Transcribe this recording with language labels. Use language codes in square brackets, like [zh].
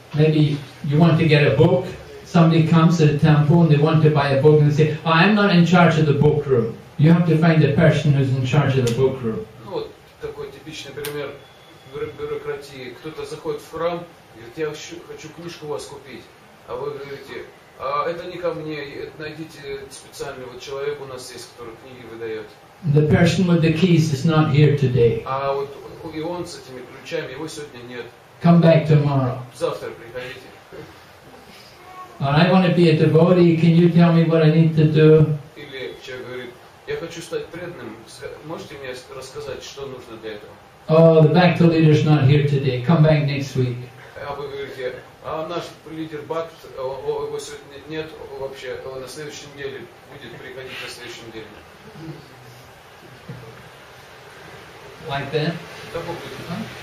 [en] Maybe you want to get a book, somebody comes to the temple and they want to buy a book and they say, oh, I'm not in charge of the book room. You have to find the person who's in charge of the book room. [ru] Ну вот такой типичный пример бюрократии. Кто-то заходит в храм, говорит, я хочу книжку у вас купить, а вы говорите, это не ко мне, найдите специального человека у нас есть, который книги выдает. [en] The person with the keys is not here today. [ru] А вот и он с этими ключами, его сегодня нет. [en] Come back tomorrow. [ru] Завтра приходите. [en] And I want to be a devotee, can you tell me what I need to do? [ru] Или человек говорит, я хочу стать преданным, можете мне рассказать, что нужно для этого? [en] Oh, the Bhakti leader is not here today. Come back next week. [ru] А вы говорите, а наш лидер Бхакт, его сегодня нет вообще, он на следующей неделе будет приходить на следующей неделе. [en] Like that? [ru] Да, будет. Да.